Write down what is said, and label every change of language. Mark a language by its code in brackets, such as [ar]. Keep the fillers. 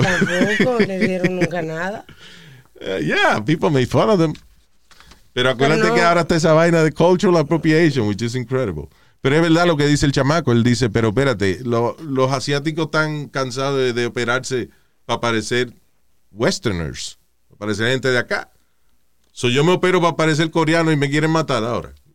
[es] Tampoco le dieron nunca nada. [en] Eh, yeah, people made fun of them. [es] Pero acuérdate Pero no. que ahora está esa vaina de [en] cultural appropriation, which is incredible. [es] Pero es verdad lo que dice el chamaco. Él dice, pero espérate, lo- los asiáticos están cansados de, de operarse para parecer westerners, para parecer gente de acá. So yo me opero para parecer coreano y me quieren matar ahora.